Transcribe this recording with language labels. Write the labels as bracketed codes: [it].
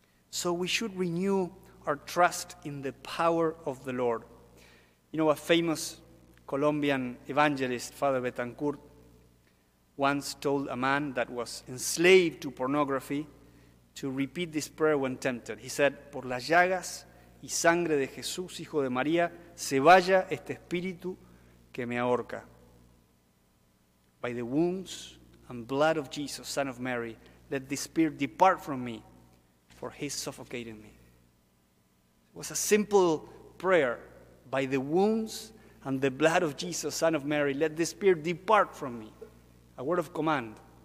[en] So we should renew our trust in the power of the Lord. You know, a famous Colombian evangelist, Father Betancourt, once told a man that was enslaved to pornography to repeat this prayer when tempted. He said, [es] "Por las llagas y sangre de Jesús, Hijo de María, se vaya este espíritu que me ahorca." [en] By the wounds and blood of Jesus, Son of Mary, let this spirit depart from me, for he suffocated me. It was a simple prayer. By the wounds and the blood of Jesus, Son of Mary, let this spirit depart from me. A word of command.